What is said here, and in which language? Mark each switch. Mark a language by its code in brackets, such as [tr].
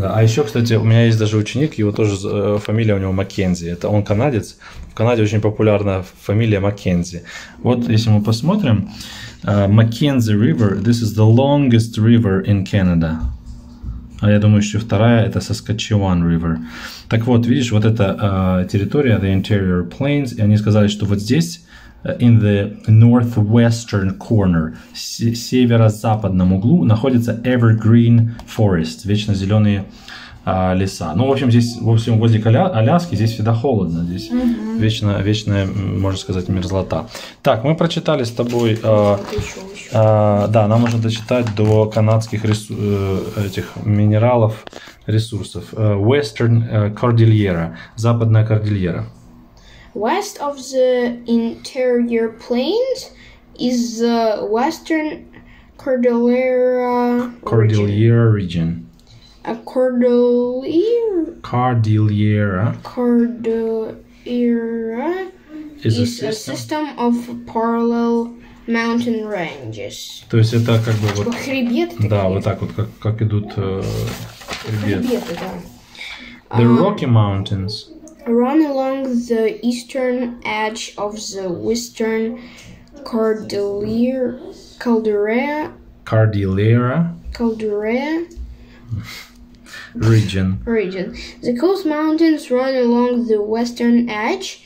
[ru] Да, а еще, кстати, у меня есть даже ученик, его тоже фамилия у него Маккензи. Это он канадец. В Канаде очень популярна фамилия Маккензи. Вот, если мы посмотрим. [en] Mackenzie River, this is the longest river in Canada. [ru] А я думаю, что вторая это Saskatchewan River. Так вот, видишь, вот эта территория, [en] the interior plains, [ru] и они сказали, что вот здесь, [en] in the northwestern corner, [ru] северо-западном углу, находится [en] evergreen forest, [ru] вечно зеленые леса. Ну, в общем, здесь, в общем, возле Аляски здесь всегда холодно, здесь вечная, можно сказать, мерзлота. Так, мы прочитали с тобой, да, нам нужно дочитать до канадских этих минералов, ресурсов. Western Cordillera, западная кордильера. [en] West of the interior plains is the Western Cordillera Cordillera region. A cordillera. Cordillera is a system of parallel mountain ranges. [ru] То есть это как бы вот. Хребет. Да, вот так вот как идут хребет. Хребеты, да. [en] The Rocky Mountains run along the eastern edge of the western Cordillera. Region. The coast mountains run along the western edge.